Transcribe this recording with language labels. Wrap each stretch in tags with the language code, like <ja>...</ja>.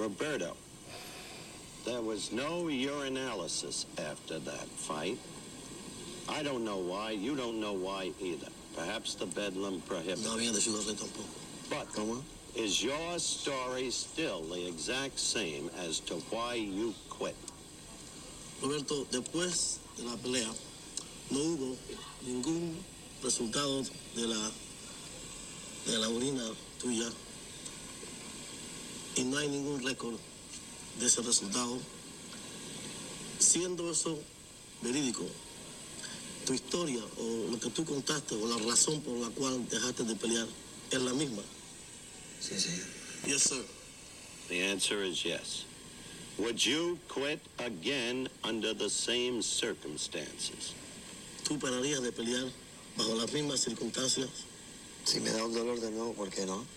<en>Roberto, there was no urinalysis after that fight. I don't know why. You don't know why either. Perhaps the bedlam prohibited.</en> <es>No había decidido hacer tampoco.</es> <en>But is your story still the exact same as to why you quit?</en> <es>Roberto, después de la pelea, no hubo ningún resultado de la urina tuya. Y no hay ningún récord de ese resultado. Siendo eso verídico, tu historia o lo que tú contaste o la razón por la cual dejaste de pelear es la misma. Sí, sí.</es> <en>Yes, sir. The answer is yes. Would you quit again under the same circumstances?</en> <es>¿Tú pararías de pelear bajo las mismas circunstancias? Si me da un dolor de nuevo, ¿por qué no?</es>